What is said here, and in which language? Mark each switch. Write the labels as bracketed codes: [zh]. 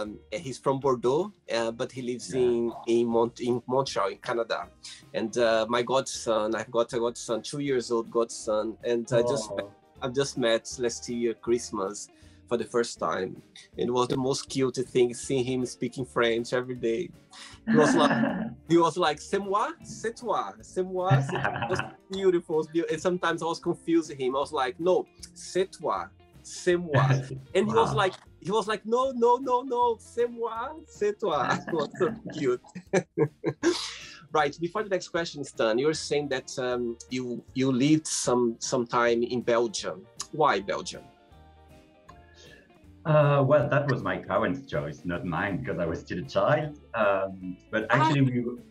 [en] He's from Bordeaux, but he lives in Montreal, in Canada. And my godson, I've got a godson, 2 years old godson, and I just met last year Christmas for the first time. It was the most cute thing, seeing him speaking French every day. He was like, [fr] c'est moi, c'est toi, c'est moi, c'est toi. [en] Just beautiful. And sometimes I was confusing him. I was like, no, [fr] c'est toi. C'est moi. [en] And wow. he was like, no, [fr] c'est moi, c'est toi. [en] It was so cute. Right, before the next question, Stan, you were saying that you lived some time in Belgium. Why Belgium? Well, that was my parents' choice, not mine, because I was still a child. But actually,